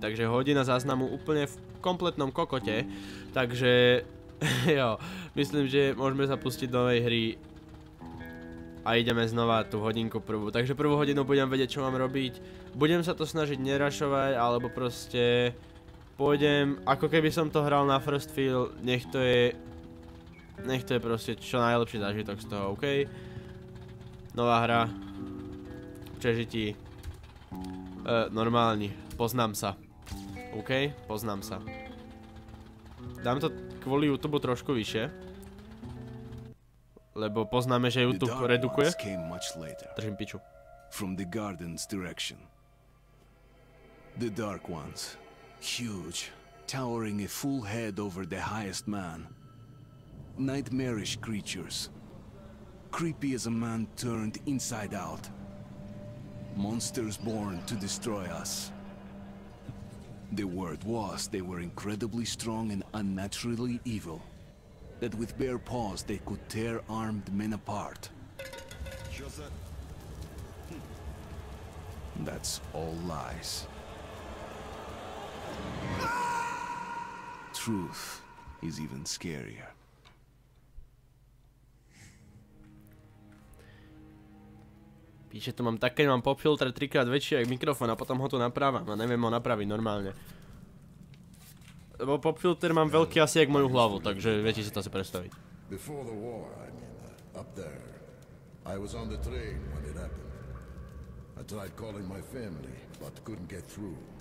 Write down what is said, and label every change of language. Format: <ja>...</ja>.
<sk>Takže hodina záznamu úplne v kompletnom kokote. Takže jo, myslím, že môžeme zapustiť do novej hry a ideme znova tú hodinku prvú. Takže prvú hodinu budem vedieť, čo mám robiť. Budem sa to snažiť nerašovať, alebo proste pôjdem, ako keby som to hral na first feel, nech to je proste čo najlepší zážitok z toho, OK? Nová hra. Čežití, normálni, poznám sa, OK, poznám sa. Dám to kvôli YouTube trošku vyššie, lebo poznáme, že YouTube redukuje. Držím piču.</sk> <en>From the garden's direction. The Dark Ones, huge, towering a full head over the highest man. Nightmarish creatures, creepy as a man turned inside out. Monsters born to destroy us. The word was they were incredibly strong and unnaturally evil. That with bare paws they could tear armed men apart. That's all lies. Truth is even scarier.</en> <sk>Píše to mám tak, keď mám popfilter trikrát väčší jak mikrofón a potom ho tu napravám a neviem ho napraviť normálne. Lebo popfilter mám veľký asi jak moju hlavu, takže viete si to asi predstaviť.</sk> <en>Before the war, I mean, up there. I was on the train when it happened. I tried calling my family, but couldn't get through.</en>